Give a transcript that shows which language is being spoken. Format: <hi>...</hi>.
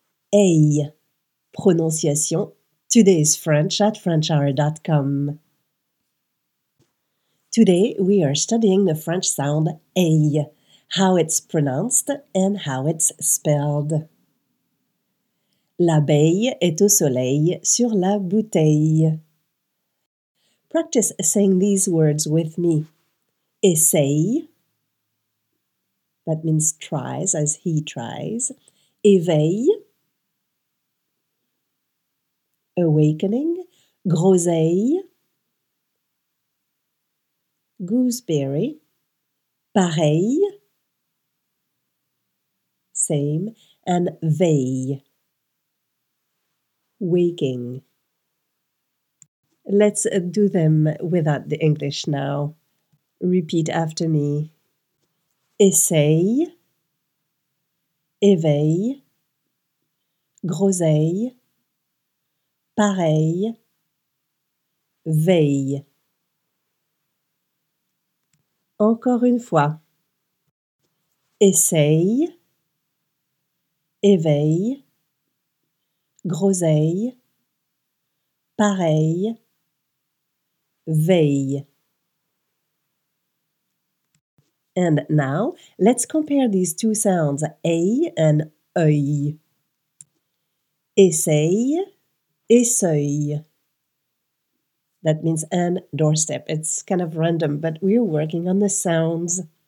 <en>Hey, prononciation, today's French at FrenchHour.com. Today, we are studying the French sound A, how it's pronounced and how it's spelled.</en> <fr>L'abeille est au soleil sur la bouteille.</fr> <en>Practice saying these words with me. Essaye, that means tries, as he tries. Éveil, awakening. Groseille, gooseberry. Pareil, same. And veille, waking. Let's do them without the English now. Repeat after me.</en> <fr>Essaye, éveil, groseille, pareil, veille. Encore une fois. Essaye, éveil, groseille, pareil, veille.</fr> <en>And now, let's compare these two sounds, A and œil.</en> <fr>Essaye, essaye.</fr> <en>That means an doorstep. It's kind of random, but we're working on the sounds.</en>